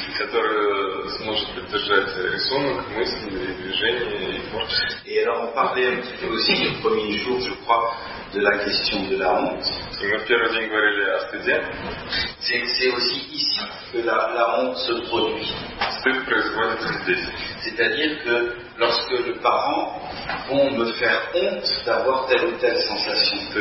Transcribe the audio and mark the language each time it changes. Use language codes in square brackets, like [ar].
[ru] Которая сможет поддержать рисунок, мысли, движения и творчество. [fr] Et alors on parlait un petit peu aussi le premier jour, je crois, de la question de la honte. Et [ru] мы в первый день говорили о стыде. [fr] C'est aussi ici que la honte se produit. C'est-à-dire que lorsque les parents vont me faire honte d'avoir telle ou telle sensation.